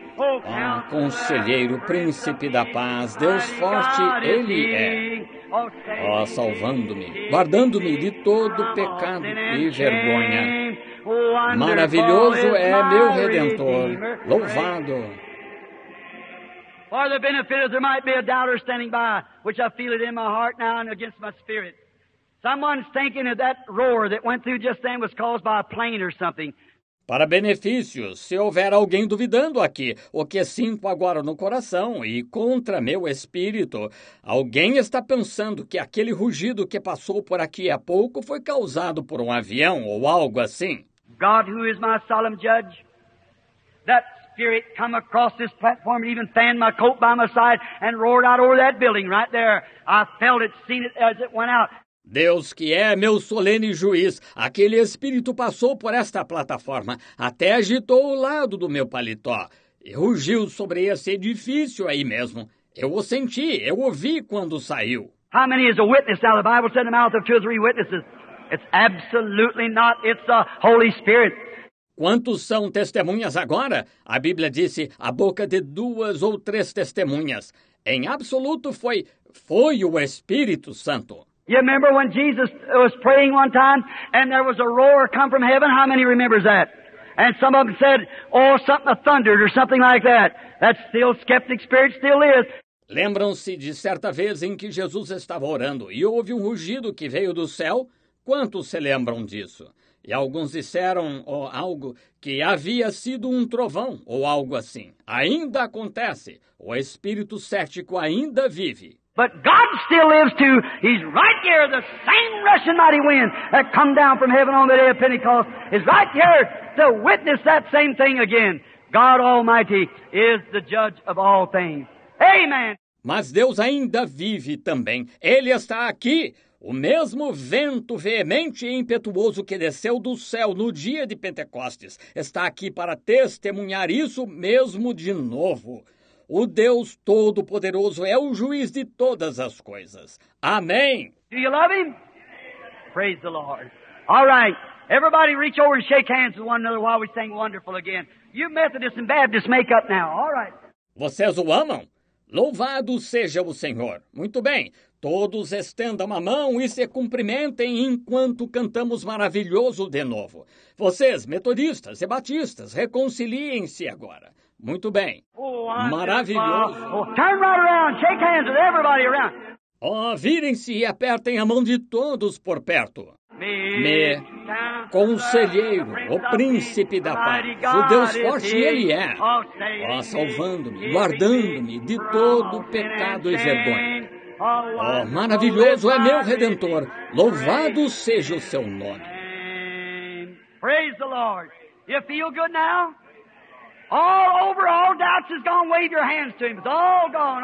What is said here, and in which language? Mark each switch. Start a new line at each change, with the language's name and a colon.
Portuguese: Oh, conselheiro, príncipe da paz, Deus forte, Ele é. Oh, salvando-me, guardando-me de todo pecado e vergonha. Maravilhoso é meu Redentor, louvado.
English: For the benefit of there might be a doubter standing by, which I feel it in my heart now and against my spirit. Someone's thinking of that roar that went through just then was caused by a plane or something.
Portuguese: Para benefício, se houver alguém duvidando aqui, o que sinto agora no coração e contra meu espírito, alguém está pensando que aquele rugido que passou por aqui há pouco foi causado por um avião ou algo assim.
English: God, who is my solemn judge, that spirit come across this platform and even fanned my coat by my side and roared out over that building right there. I felt it, seen it as it went out.
Portuguese: Deus que é meu solene juiz, aquele espírito passou por esta plataforma, até agitou o lado do meu paletó e rugiu sobre esse edifício aí mesmo. Eu o senti, eu o vi quando saiu.
English: How many is a witness now? The Bible said in the mouth of two or three witnesses. It's absolutely not, it's the Holy Spirit.
Portuguese: Quantos são testemunhas agora? A Bíblia disse, a boca de duas ou três testemunhas. Em absoluto foi o Espírito Santo.
English: You remember when Jesus was praying one time and there was a roar come from heaven? How many remembers that? And some of them said, oh, something thundered or something like that. That's still skeptic spirit still is.
Portuguese: Lembram-se de certa vez em que Jesus estava orando e houve um rugido que veio do céu? Quantos se lembram disso? E alguns disseram algo que havia sido um trovão ou algo assim. Ainda acontece. O espírito cético ainda vive.
English: But God still lives too. He's right here. The same rushing mighty wind that come down from heaven on the day of Pentecost is right here to witness that same thing again. God Almighty is the judge of all things. Amen.
Portuguese: Mas Deus ainda vive também. Ele está aqui. O mesmo vento veemente e impetuoso que desceu do céu no dia de Pentecostes está aqui para testemunhar isso mesmo de novo. O Deus Todo-Poderoso é o juiz de todas as coisas. Amém.
English: Do you love him? Praise the Lord. All right. Everybody reach over and shake hands with one another while we sing wonderful again. You Methodists and Baptists make up now. All right.
Portuguese: Vocês o amam? Louvado seja o Senhor. Muito bem. Todos estendam a mão e se cumprimentem enquanto cantamos maravilhoso de novo. Vocês, metodistas e batistas, reconciliem-se agora. Muito bem. Maravilhoso.
English: Turn right around, shake hands with everybody around.
Portuguese: Oh, virem-se e apertem a mão de todos por perto. Me, conselheiro, o príncipe da paz, o Deus forte ele é, ó, salvando-me, guardando-me de todo pecado e vergonha. Ó, maravilhoso é meu Redentor, louvado seja o seu nome.
English: Praise the Lord. You feel good now? All over, all doubts is gone. Wave your hands to him. It's all gone.